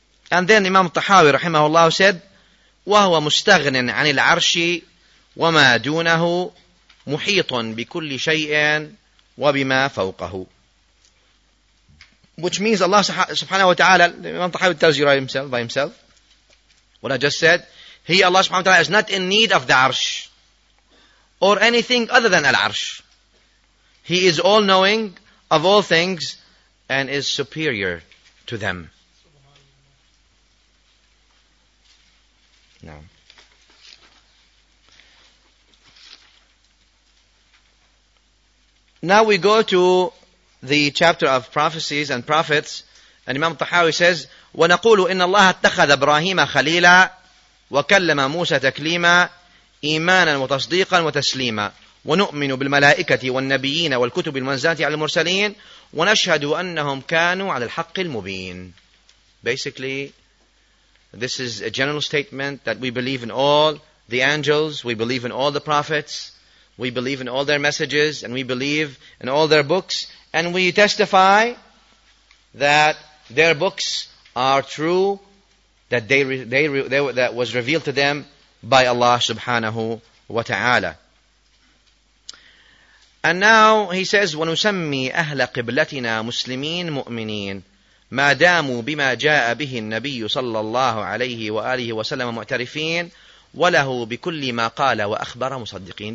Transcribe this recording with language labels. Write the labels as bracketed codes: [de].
[en] And then Imam Tahawi rahimahullah said, [ar] وَهُوَ مُسْتَغْنٍ عَنِ الْعَرْشِ وَمَا دُونَهُ مُحِيطٌ بِكُلِّ شَيْءٍ وَبِمَا فَوْقَهُ. [en] Which means Allah subhanahu wa ta'ala, Imam Tahawi tells you by himself, what I just said, He, Allah subhanahu wa ta'ala, is not in need of the arsh, or anything other than al-arsh. He is all-knowing of all things, and is superior to them. No. Now we go to the chapter of prophecies and prophets, and Imam Tahawi says, [ar] وَنَقُولُ إِنَّ اللَّهَ اتَّخَذَ إِبْرَاهِيمَ خَلِيلًا وَكَلَّمَ مُوسَى تَكْلِيمًا إِيمَانًا وَتَصْدِيقًا وَتَسْلِيمًا وَنُؤْمِنُ بِالْمَلَائِكَةِ وَالنَّبِيِّينَ وَالْكُتُبِ الْمَنْزَلَةِ عَلَى الْمُرْسَلِينَ وَنَشْهَدُ أَنَّهُمْ كَانُوا عَلَى الْحَقِّ الْمُبِينِ. [en] Basically, this is a general statement that we believe in all the angels, we believe in all the prophets, we believe in all their messages, and we believe in all their books, and we testify that their books are true, that that was revealed to them by Allah subhanahu wa ta'ala. And now he says, [ar] وَنُسَمِّي أَهْلَ قِبْلَتِنَا مُسْلِمِينَ مُؤْمِنِينَ ما داموا بما جاء به النبي صلى الله عليه وآله وسلم معترفين وله بكل ما قال وأخبر مصدقين.